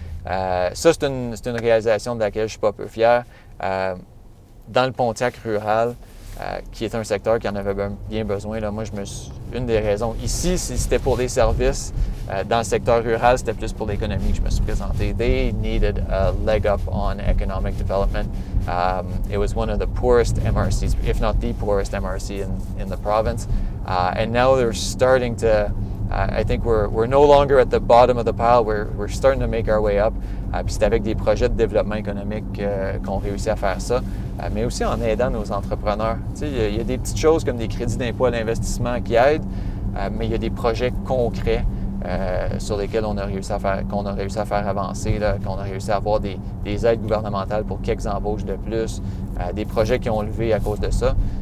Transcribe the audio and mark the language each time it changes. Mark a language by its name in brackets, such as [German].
[French] ça, c'est une réalisation de laquelle je ne suis pas peu fier. Dans le Pontiac rural, qui est un secteur qui en avait bien besoin, là, moi, une des raisons ici, c'était pour les services. Dans le secteur rural, c'était plus pour l'économie que je me suis présenté. [English] They needed a leg up on economic development. It was one of the poorest MRCs, if not the poorest MRC in the province. And now they're starting to... I think we're no longer at the bottom of the pile. We're starting to make our way up. [French] Puis c'est avec des projets de développement économique qu'on réussit à faire ça. Mais aussi en aidant nos entrepreneurs. Tu sais, il y a des petites choses comme des crédits d'impôt à l'investissement qui aident, mais il y a des projets concrets sur lesquels qu'on a réussi à faire avancer, là, qu'on a réussi à avoir des aides gouvernementales pour quelques embauches de plus, des projets qui ont levé à cause de ça.